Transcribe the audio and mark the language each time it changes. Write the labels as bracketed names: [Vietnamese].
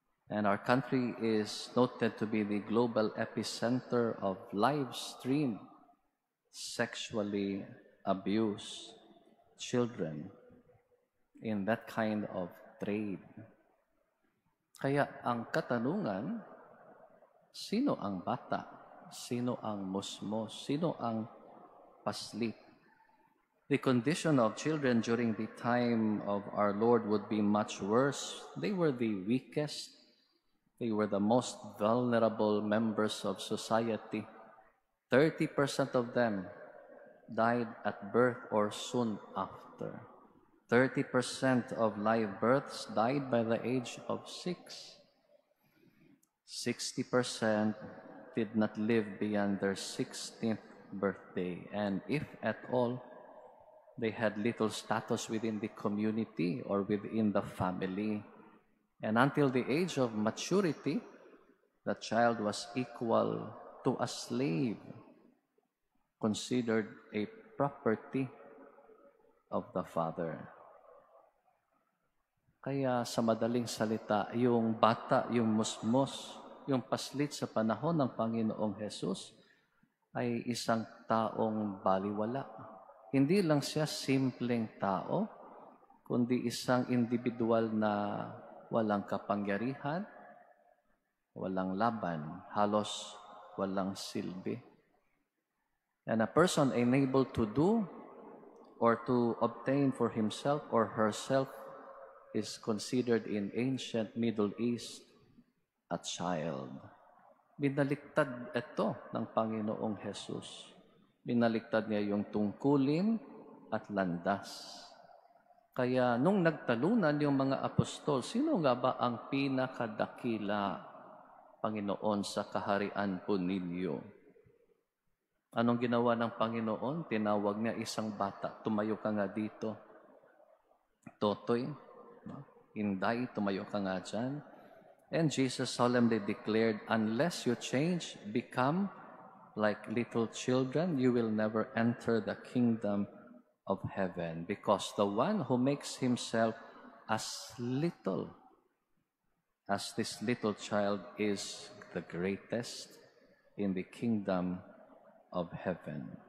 [English] And our country is noted to be the global epicenter of live stream sexually abuse children in that kind of trade. [Filipino] Kaya ang katanungan, sino ang bata? Sino ang musmos? Sino ang paslit? [English] The condition of children during the time of our Lord would be much worse. They were the weakest. They were the most vulnerable members of society. 30% of them died at birth or soon after. 30% of live births died by the age of 6. 60% did not live beyond their 16th birthday. And if at all, they had little status within the community or within the family. And until the age of maturity, the child was equal to a slave, considered a property of the father. [Filipino] Kaya sa madaling salita, yung bata, yung musmus, yung paslit sa panahon ng Panginoong Jesus ay isang taong baliwala. Hindi lang siya simpleng tao, kundi isang individual na walang kapangyarihan, walang laban, halos walang silbi. [English] And a person unable to do or to obtain for himself or herself is considered in ancient Middle East a child. [Filipino] Binaliktad ito ng Panginoong Jesus. Binaliktad niya yung tungkulin at landas. Kaya nung nagtalunan yung mga apostol, sino nga ba ang pinakadakila, Panginoon, sa kaharian po ninyo? Anong ginawa ng Panginoon? Tinawag niya isang bata, tumayo ka nga dito. Totoy, Inday, tumayo ka nga dyan. [English] And Jesus solemnly declared, unless you change, become like little children, you will never enter the kingdom of heaven. Because the one who makes himself as little as this little child is the greatest in the kingdom of heaven.